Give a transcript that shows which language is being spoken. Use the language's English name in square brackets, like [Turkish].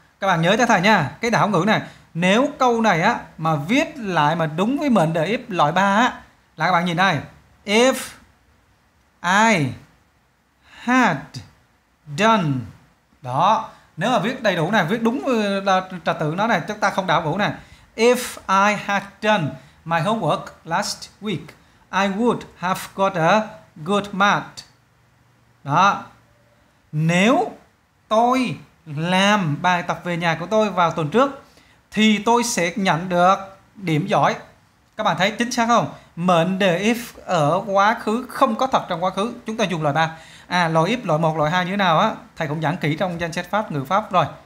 [Vietnamese] Các bạn nhớ cho thầy nha, cái đảo ngữ này, nếu câu này á mà viết lại mà đúng với mệnh đề if loại 3 á, là các bạn nhìn đây. [English] If I had done. [Vietnamese] Đó, nếu mà viết đầy đủ này, viết đúng trật tự nó này, chúng ta không đảo ngữ này. [English] If I had done my homework last week, I would have got a good mark. [Vietnamese] Đó. Nếu tôi làm bài tập về nhà của tôi vào tuần trước thì tôi sẽ nhận được điểm giỏi. Các bạn thấy chính xác không? Mệnh đề if ở quá khứ không có thật trong quá khứ, chúng ta dùng loại 3. À, loại if loại 1, loại 2 như thế nào á, thầy cũng giảng kỹ trong danh sách pháp ngữ pháp rồi.